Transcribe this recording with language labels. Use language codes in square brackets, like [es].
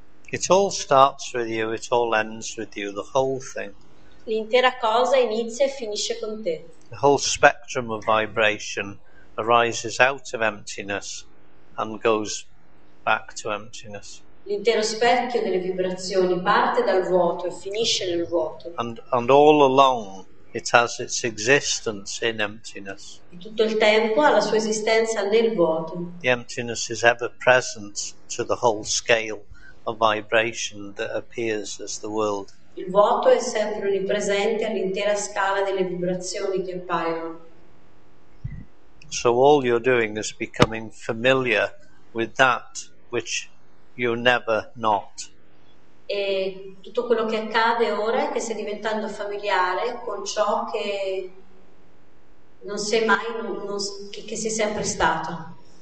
[en] It all starts with you, it all ends with you, the whole thing. [it] L'intera cosa inizia e finisce con te. [en] The whole spectrum of vibration arises out of emptiness and goes back to emptiness. [it] l'intero specchio delle vibrazioni parte dal vuoto e finisce nel vuoto. [en] And all along it has its existence in emptiness. [it] E tutto il tempo ha la sua esistenza nel vuoto. [en] The emptiness is ever present to the whole scale of vibration that appears as the world. [it] Il vuoto è sempre onnipresente all'intera scala delle vibrazioni che appaiono. [en] So all you're doing is becoming familiar with that which you never not. [it] E tutto quello che accade ora è che stai diventando familiare con ciò che non sei mai, che sei sempre stato.